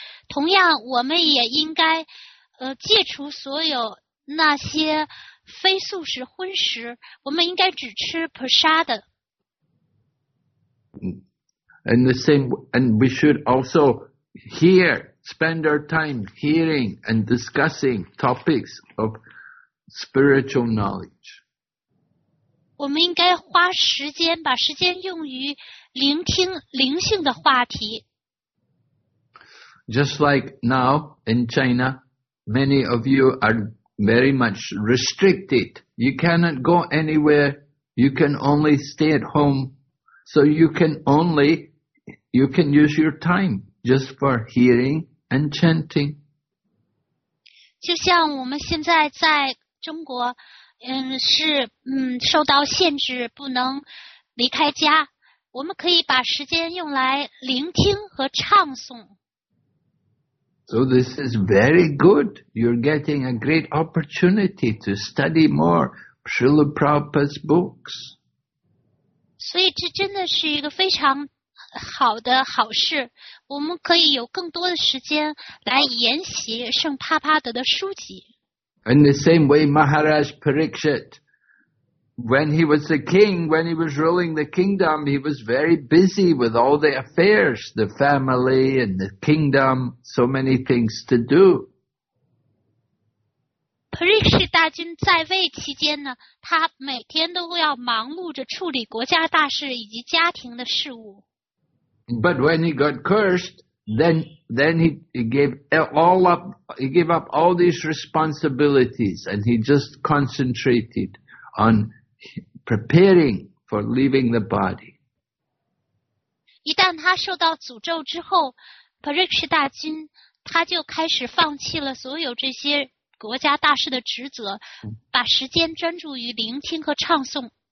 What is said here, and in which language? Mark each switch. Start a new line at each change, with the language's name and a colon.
Chinese: 同样我们也应该戒除所有那些非素食荤食。我们应该只吃 prasadam.
English: And the same, and we should also hear, spend our time hearing and discussing topics of spiritual knowledge.
Chinese: 我们应该花时间，把时间用于聆听灵性的话题。
English: Just like now in China, many of you are very much restricted. You cannot go anywhere. You can only stay at home. So you can only. You can use your time just for hearing and chanting.
Chinese: 就像我们现在在中国，是受到限制，不能离开家。我们可以把时间用来聆听和唱诵。
English: So this is very good. You're getting a great opportunity to study more Srila Prabhupada's books.
Chinese: 所以这真的是一个非常。好的好事，我们可以有更多的时间来研习圣帕帕德的书籍。
English: In the same way, Maharaj Parikshit, when he was the king, when he was ruling the kingdom, he was very busy with all the affairs, the family and the kingdom, so many things to do.
Chinese: Parikshit 大军在位期间呢，他每天都要忙碌着处理国家大事以及家庭的事务。
English: But when he got cursed, then he gave all up, he gave up all these responsibilities, and he just concentrated on preparing for leaving the body.
Chinese: 一旦他受到诅咒之后 ，Pariksit 大军他就开始放弃了所有这些国家大事的职责，把时间专注于聆听和唱诵。